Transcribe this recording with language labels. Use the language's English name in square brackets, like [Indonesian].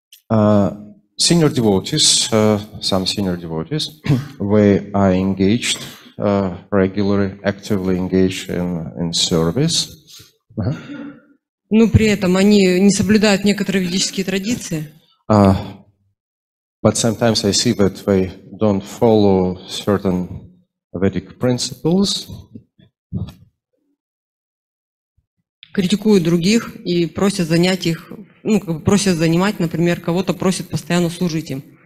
[English] Senior devotees, some senior devotees, we are engaged, regularly, actively engaged in service. [Russian] Ага. Но при этом они не соблюдают некоторые ведические традиции. [English] But sometimes I see that they don't follow certain Vedic principles. [Russian] Критикуют других и просят занять их, ну, как бы просят занимать, например, кого-то просят постоянно служить им.